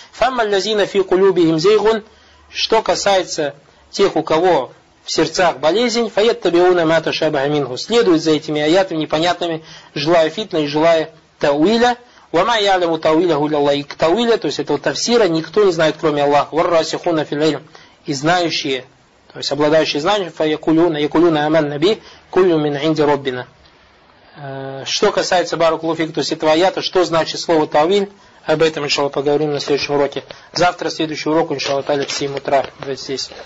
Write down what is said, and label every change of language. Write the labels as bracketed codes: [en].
[ar] Фамма аллазина фи кулубихим зайгун, [ru] что касается тех, у кого в сердцах болезнь, [ar] фаяттабиуна ма ташабаха минху, [ru] следует за этими аятами непонятными, желая фитны и желая тауиля. [ar] وَمَا يَعْلَمُ تَوِيلَهُ إِلَّا اللَّهُ كَتَوِيلَ [ru] то есть этого тафсира никто не знает, кроме Аллаха. [ar] وَالرَّاسِخُونَ فِي الْعِلْمِ [ru] и знающие, то есть обладающие знанием, [ar] فَيَقُولُونَ يَقُولُونَ آمَنَّا بِهِ كُلٌّ مِنْ عِنْدِ رَبِّنَا. [ru] Что касается барак луфик, то есть этого аята, что значит слово тавиль, об этом иншаллах поговорим на следующем уроке. Завтра следующий урок иншаллах в 7 утра вот здесь.